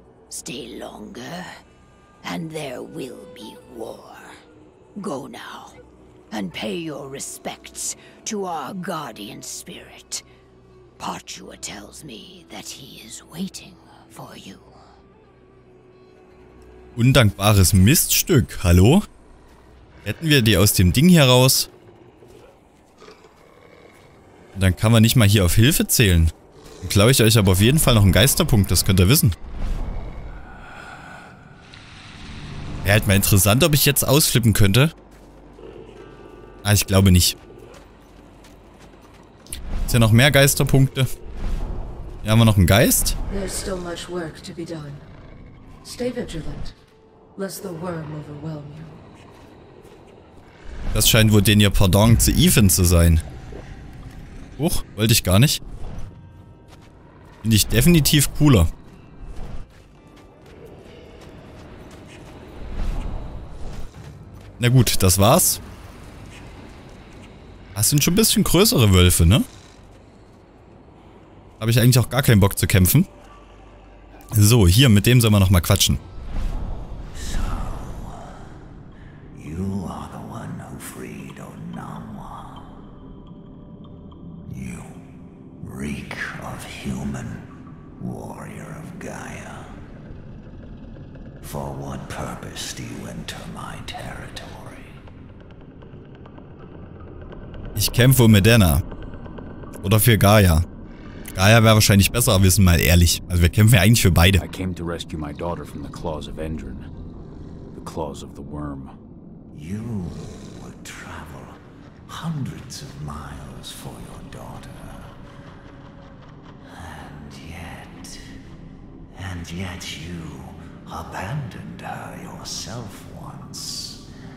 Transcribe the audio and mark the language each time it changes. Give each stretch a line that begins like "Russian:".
English: Stay longer, and there will be war. Go now, and pay your respects to our guardian spirit. Partua tells me that he is waiting for you.
German: Undankbares Miststück, hallo? Retten wir die aus dem Ding heraus? Und dann kann man nicht mal hier auf Hilfe zählen. Dann klaue ich euch aber auf jeden Fall noch einen Geisterpunkt, das könnt ihr wissen. Wäre halt mal interessant, ob ich jetzt ausflippen könnte. Ah, ich glaube nicht. Ja, noch mehr Geisterpunkte. Hier haben wir noch einen Geist.
English: There's still much work to be done. Stay vigilant, lest the worm overwhelm you.
German: Das scheint wohl den hier Pardon zu Ethan zu sein. Huch, wollte ich gar nicht. Finde ich definitiv cooler. Na gut, das war's. Das sind schon ein bisschen größere Wölfe, ne? Habe ich eigentlich auch gar keinen Bock zu kämpfen. So, hier, mit dem sollen wir nochmal quatschen.
English: So, you are the one who freed Onamwa. You reek of human, warrior of Gaia. For what purpose do you enter my territory?
German: Ich kämpfe um Edenna. Oder für Gaia. Gaia wäre wahrscheinlich besser, aber wir sind mal ehrlich. Also wir kämpfen ja eigentlich für beide.
English: I came to rescue my daughter from the claws of Endrin. The claws of the worm. You would travel hundreds of miles for your daughter. And yet you abandoned her yourself once.